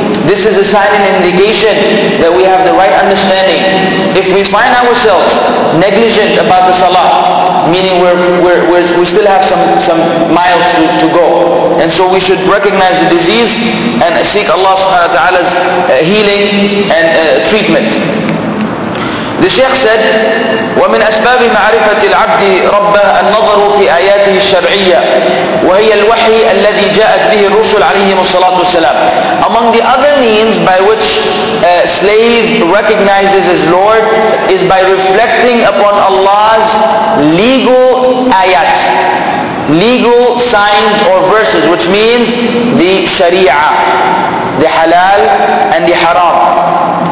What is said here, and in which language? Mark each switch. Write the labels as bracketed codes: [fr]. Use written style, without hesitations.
[en] This is a sign and indication that we have the right understanding. If we find ourselves negligent about the salah, meaning we still have some miles to go, and so we should recognize the disease and seek Allah subhanahu wa ta'ala's healing and treatment. The Shaykh said, [ar] وَمِنْ أَسْبَابِ مَعْرِفَةِ الْعَبْدِ رَبَّهَ النَّظَرُ فِي آيَاتِهِ الشَّرْعِيَّةِ وَهِيَ الْوَحْيِ الَّذِي جَاءَتْ بِهِ الرُّسُلُ عَلَيْهِمُ الصَّلَاةُ وَالسَّلَامُ. [en] Among the other means by which a slave recognizes his Lord is by reflecting upon Allah's legal ayat, legal signs or verses, which means the sharia, the halal and the haram.